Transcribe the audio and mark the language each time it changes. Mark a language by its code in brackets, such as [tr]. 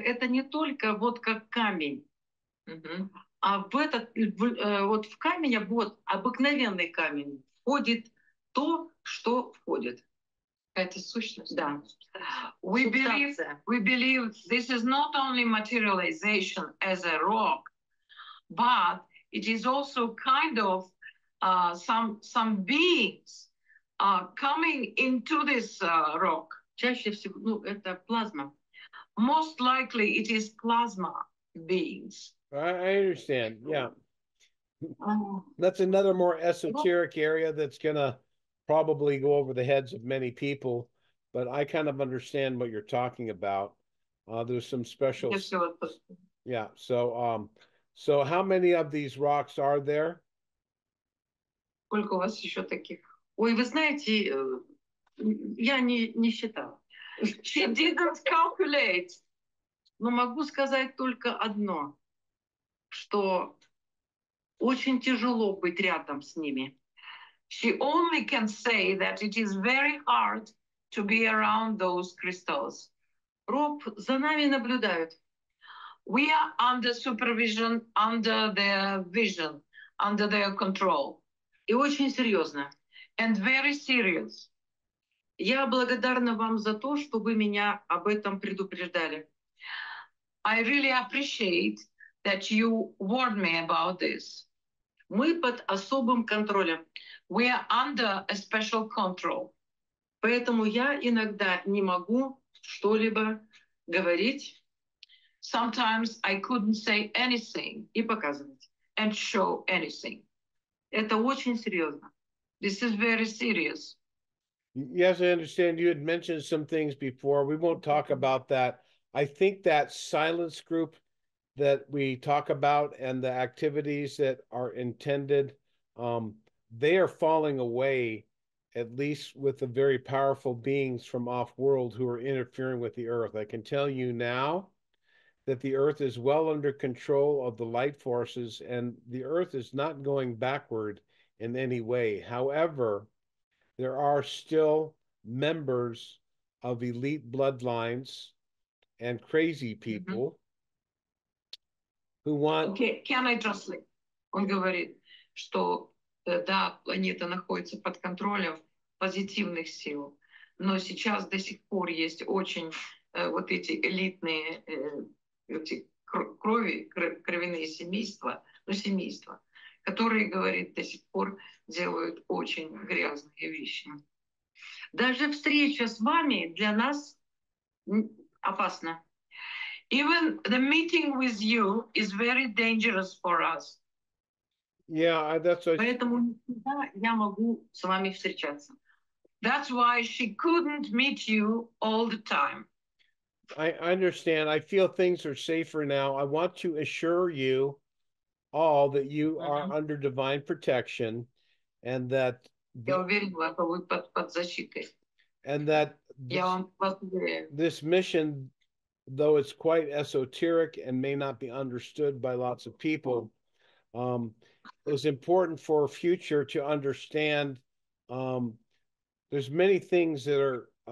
[ru] Это не только вот как камень, а в этот вот в камень, вот обыкновенный камень входит то, что входит. Это сущность. Да. [en] We believe this is not only materialization as a rock, but it is also kind of some beings coming into this rock. [ru] Чаще всего, ну, это плазма. [en] Most likely it is plasma beings. I understand. Yeah. That's another more esoteric area that's gonna probably go over the heads of many people, but I kind of understand what you're talking about. There's some special... Yeah, so how many of these rocks are there? [ru] Сколько у вас еще таких? Ой, вы знаете, я не считала. [en] She didn't calculate. [ru] Но могу сказать только одно, что очень тяжело быть рядом с ними. [en] She only can say that it is very hard to be around those crystals. [ru] Rob, за нами наблюдают. [en] We are under supervision, under their vision, under their control. [ru] И очень серьезно. [en] And very serious. [ru] Я благодарна вам за то, что вы меня об этом предупреждали. [en] I really appreciate that you warned me about this. [ru] Мы под особым контролем. [en] We are under a special control. [ru] Поэтому я иногда не могу что-либо говорить. [en] Sometimes I couldn't say anything. [ru] И показывать. [en] And show anything. [ru] Это очень серьезно. [en] This is very serious. Yes, I understand. You had mentioned some things before. We won't talk about that. I think that silence group that we talk about and the activities that are intended, they are falling away, at least with the very powerful beings from off world who are interfering with the earth. I can tell you now that the earth is well under control of the light forces and the earth is not going backward in any way. However, there are still members of elite bloodlines and crazy people who want... Okay, can I translate? [ru] Он говорит, что да, планета находится под контролем позитивных сил, но сейчас до сих пор есть очень вот эти элитные эти крови, кровяные семейства, ну, семейства, которые, говорит, до сих пор делают очень грязные вещи. Даже встреча с вами для нас опасна. [en] Even the meeting with you is very dangerous for us. Yeah, that's what... [ru] Поэтому да, я могу с вами встречаться. [en] That's why she couldn't meet you all the time. I understand. I feel things are safer now. I want to assure you all that you are under divine protection and that... [ru] Я уверен, что вы под защитой. [en] And that this mission, though it's quite esoteric and may not be understood by lots of people, is important for future to understand. There's many things that are